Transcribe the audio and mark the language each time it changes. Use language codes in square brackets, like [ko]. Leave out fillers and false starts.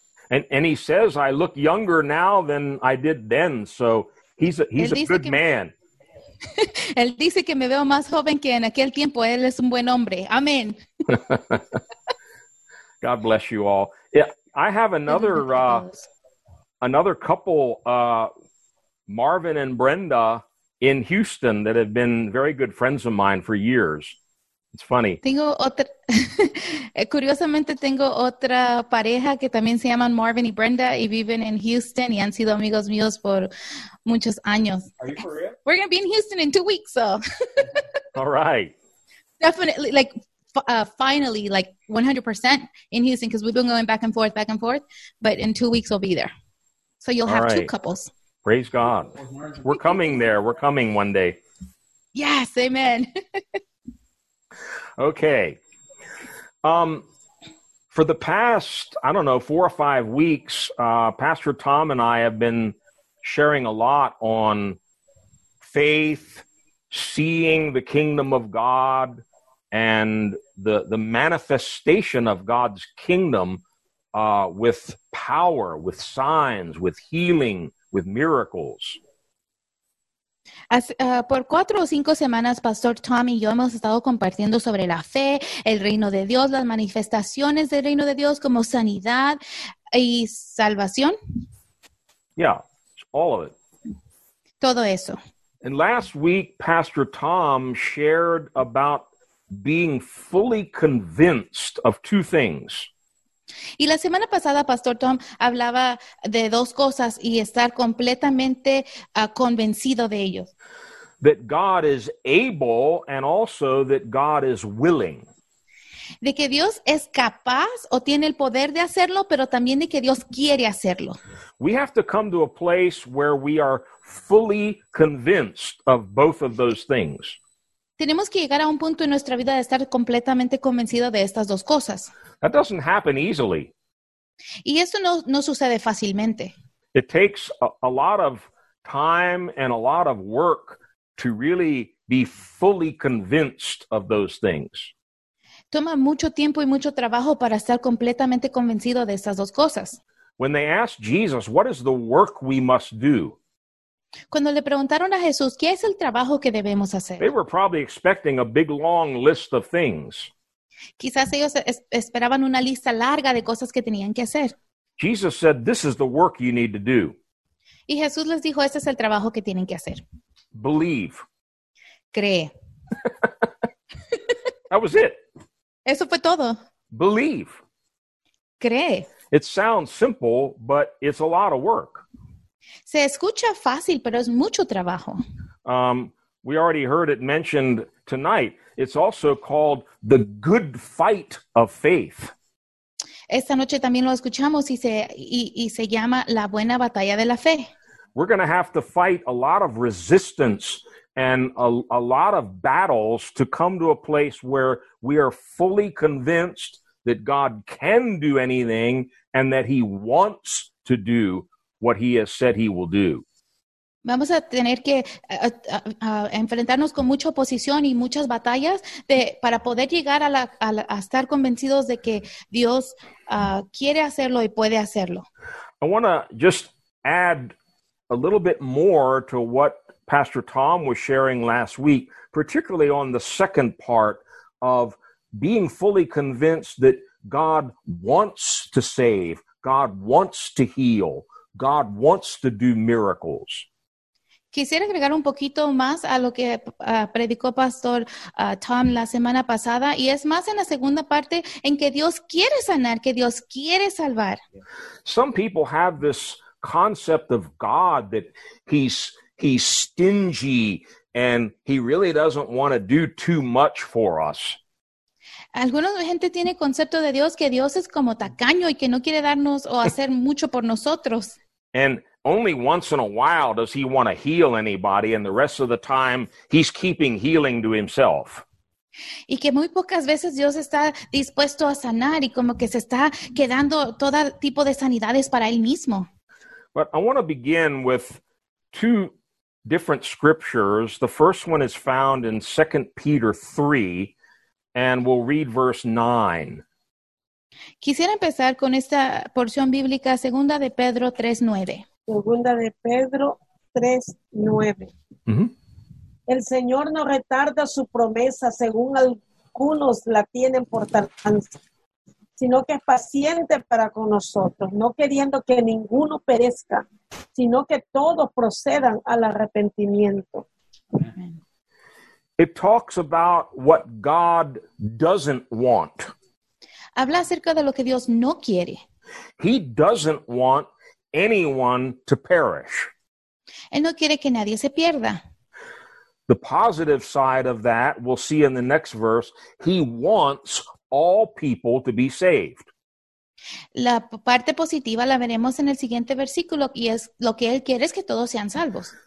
[en] And he says, I look younger now than I did then. So he's a good man. [es] Él dice que me veo más joven que en aquel tiempo. Él es un buen hombre. Amén. [en] God bless you all. Yeah, I have another couple, Marvin and Brenda in Houston, that have been very good friends of mine for years. It's funny. [es] Tengo otra, curiosamente tengo otra pareja que también se llaman Marvin y Brenda y viven en Houston y han sido amigos míos por muchos años. [en] Are you for real? We're going to be in Houston in 2 weeks, so. All right. Definitely, like, finally, like, 100% in Houston, because we've been going back and forth, but in 2 weeks we'll be there. So you'll have two couples. Praise God. We're coming there. We're coming one day. Yes, amen. Okay. For the past, I don't know, 4 or 5 weeks, Pastor Tom and I have been sharing a lot on faith, seeing the kingdom of God, and the manifestation of God's kingdom with power, with signs, with healing, with miracles. [es] Por 4 o 5 semanas, Pastor Tom y yo hemos estado compartiendo sobre la fe, el reino de Dios, las manifestaciones del reino de Dios como sanidad y salvación. [en] Yeah, all of it. [es] Todo eso. [en] And last week, Pastor Tom shared about being fully convinced of two things. [es] Y la semana pasada, Pastor Tom hablaba de dos cosas y estar completamente convencido de ellos. [en] That God is able and also that God is willing. [es] De que Dios es capaz o tiene el poder de hacerlo, pero también de que Dios quiere hacerlo. [en] We have to come to a place where we are fully convinced of both of those things. [es] Tenemos que llegar a un punto en nuestra vida de estar completamente convencido de estas dos cosas. [en] That doesn't happen easily. [es] Y esto no sucede fácilmente. [en] It takes a lot of time and a lot of work to really be fully convinced of those things. [es] Toma mucho tiempo y mucho trabajo para estar completamente convencido de estas dos cosas. [en] When they asked Jesus, what is the work we must do? [es] Cuando le preguntaron a Jesús, ¿qué es el trabajo que debemos hacer? [en] They were probably expecting a big long list of things. [es] Quizás ellos esperaban una lista larga de cosas que tenían que hacer. [en] Jesus said, this is the work you need to do. [es] Y Jesús les dijo, este es el trabajo que tienen que hacer. [en] Believe. [es] Cree. [en] That was it. [es] Eso fue todo. [en] Believe. [es] Cree. [en] It sounds simple, but it's a lot of work. [es] Se escucha fácil, pero es mucho trabajo. [en] We already heard it mentioned tonight. It's also called the good fight of faith. [es] Esta noche también lo escuchamos y se llama la buena batalla de la fe. [en] We're going to have to fight a lot of resistance and a lot of battles to come to a place where we are fully convinced that God can do anything and that he wants to do what he has said he will do. [es] Vamos a tener que enfrentarnos con mucha oposición y muchas batallas para poder llegar a estar convencidos de que Dios quiere hacerlo y puede hacerlo. [en] I want to just add a little bit more to what Pastor Tom was sharing last week, particularly on the second part of being fully convinced that God wants to save, God wants to heal, God wants to do miracles. [es] Quisiera agregar un poquito más a lo que predicó Pastor Tom la semana pasada, y es más en la segunda parte en que Dios quiere sanar, que Dios quiere salvar. [en] Some people have this concept of God that he's stingy and he really doesn't want to do too much for us. [es] Alguna gente tiene concepto de Dios que Dios es como tacaño y que no quiere darnos o hacer mucho por nosotros. [en] And only once in a while does he want to heal anybody, and the rest of the time he's keeping healing to himself. [es] Y que muy pocas veces Dios está dispuesto a sanar y como que se está quedando todo tipo de sanidades para él mismo. [en] But I want to begin with two different scriptures. The first one is found in 2 Peter 3, and we'll read verse 9. [es] Quisiera empezar con esta porción bíblica, 2 de Pedro 3:9. Segunda de Pedro 3:9. El Señor no retarda su promesa según algunos la tienen por tardanza, sino que es paciente para con nosotros, no queriendo que ninguno perezca, sino que todos procedan al arrepentimiento. [en] It talks about what God doesn't want. [es] Habla acerca de lo que Dios no quiere. [en] He doesn't want anyone to perish. [es] Él no quiere que nadie se pierda. [en] The positive side of that, we'll see in the next verse, he wants all people to be saved. [es] La parte positiva la veremos en el siguiente versículo, y es lo que él quiere es que todos sean salvos.